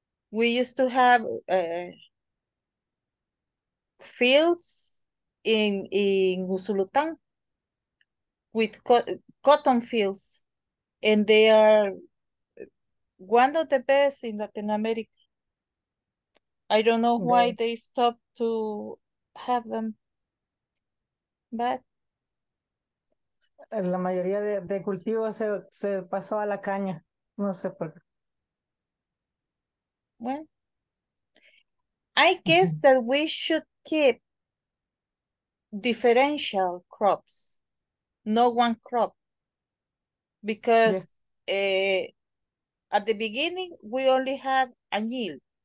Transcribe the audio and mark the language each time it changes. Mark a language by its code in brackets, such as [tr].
[en] We used to have fields in Usulután with cotton fields, and they are one of the best in Latin America. I don't know why they stopped to have them, but [es] La mayoría de cultivos se pasó a la caña, no sé por [en] well, I [es] qué. [en] guess that we should keep differential crops, no one crop, Yes. because at the beginning we only have añil.